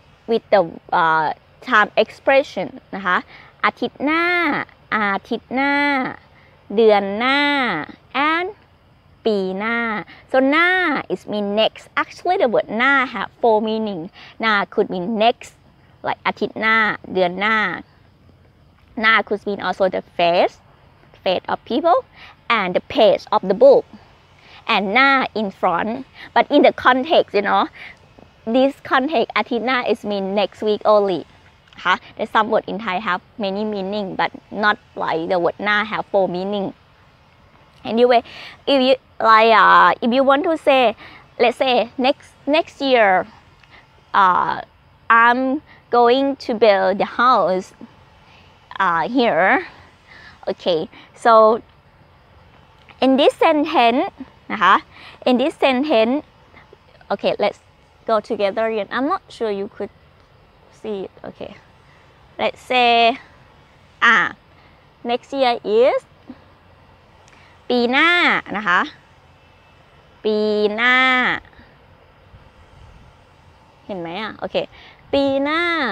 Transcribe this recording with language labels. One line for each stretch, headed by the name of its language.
English: with the time expression
Thai: นะคะอาทิตย์หน้าอาทิตย์หน้าเดือนหน้า
English: andปีหน้า so หน้า is mean next actually the word หน้า have four meaning หน้า could mean next like
Thai: อาทิตย์หน้าเดือนหน้าหน้า
English: could mean also the face of people and the page of the book and หน้า in front but in the context you know this context, Athena is mean next week only. Huh? The some word in Thai have many meaning, but not like the word na have four meaning. Anyway, if you like, if you want to say, let's say next year, I'm going to build the house, here. Okay, so in this sentence, in this sentence, okay, let's go together again. I'm not sure you could see it. Okay, let's say, next year is
Thai: ปีหน้านะคะปีหน้าเห็นไหมอ่ะโอเคปีหน้า